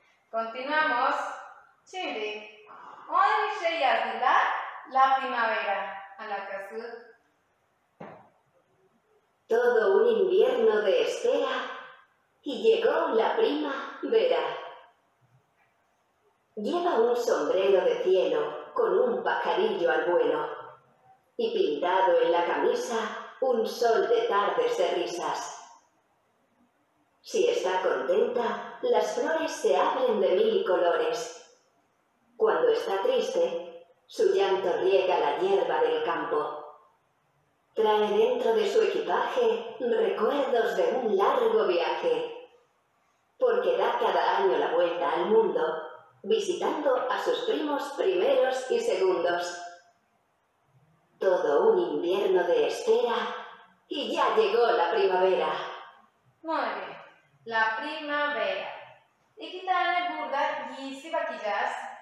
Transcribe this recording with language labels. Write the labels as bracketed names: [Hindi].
[Turkish] Continuamos. Şimdi, hoy bir şey yazdılar. [Spanish] La primavera. [Turkish] Alakası. [Spanish] Todo un invierno de espera y llegó la primavera. Lleva un sombrero de cielo con un pajarillo al vuelo y pintado en la camisa un sol de tardes de risas. Si está contenta, las flores se abren de mil colores. Cuando está triste, su llanto riega la hierba del campo. Trae dentro de su equipaje recuerdos de un largo viaje, porque da cada año la vuelta al mundo, visitando a sus primos primeros y segundos. Todo un invierno de espera y ya llegó la primavera. Muy bien. La primavera. [Turkish] İki tane burada giysi bakacağız.